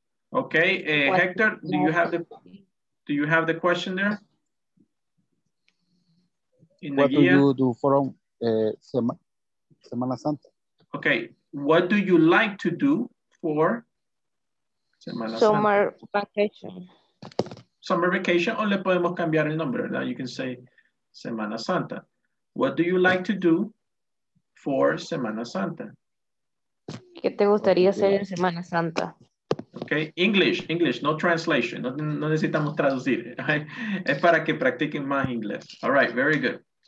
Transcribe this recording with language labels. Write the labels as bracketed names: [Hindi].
[English] Okay, Hector, do you have the question there? In the guía. What do you do from Semana Santa? Okay, what do you like to do for Semana Santa? Summer vacation. Summer vacation, [Spanish] o le podemos cambiar el nombre, ¿verdad? [English] You can say Semana Santa. What do you like to do for Semana Santa? [Spanish] ¿Qué te gustaría hacer en Semana Santa? [English] Okay, English, no translation. [Spanish] No necesitamos traducir. Es para que practiquen más inglés. [English] All right, very good.